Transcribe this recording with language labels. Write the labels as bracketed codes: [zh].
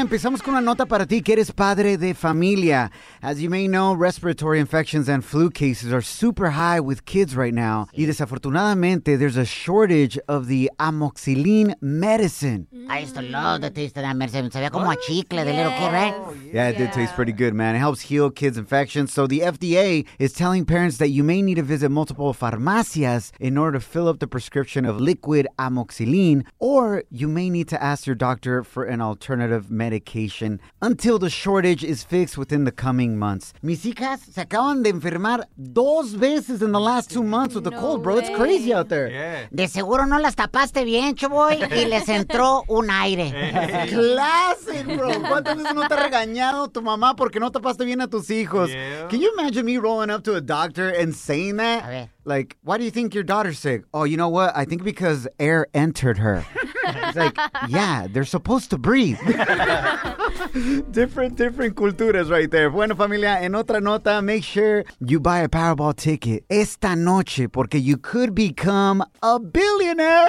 [es] Empezamos con una nota para ti que eres padre de familia. [en] As you may know, respiratory infections and flu cases are super high with kids right now. [es] Sí. Y desafortunadamente, [en] there's a shortage of the amoxicillin medicine. I used to love the taste of that medicine. It [es] sabía como a chicle de [en] little kid, right? Oh, yeah. Yeah, it did taste pretty good, man. It helps heal kids' infections. So the FDA is telling parents that you may need to visit multiple farmacias in order to fill up the prescription of liquid amoxicillin, or you may need to ask your doctor for an alternative medication until the shortage is fixed within the coming months. [es] Mis hijas se acaban de enfermar dos veces [en] in the last 2 months with the cold, bro. It's crazy out there. Yeah. [es] De seguro no las tapaste bien, chuboy, y les entró un aire. [en] Classic, bro. [es] ¿Cuántas veces no te ha regañado tu mamá porque no tapaste bien a tus hijos? [en] Yeah. Can you imagine me rolling up to a doctor and saying that? [es] A ver. [en] Like, why do you think your daughter's sick? Oh, you know what? I think because air entered her. It's like, yeah, they're supposed to breathe. different culturas right there. [es] Bueno, familia, en otra nota, [en] make sure you buy a Powerball ticket [es] esta noche porque [en] you could become a billionaire.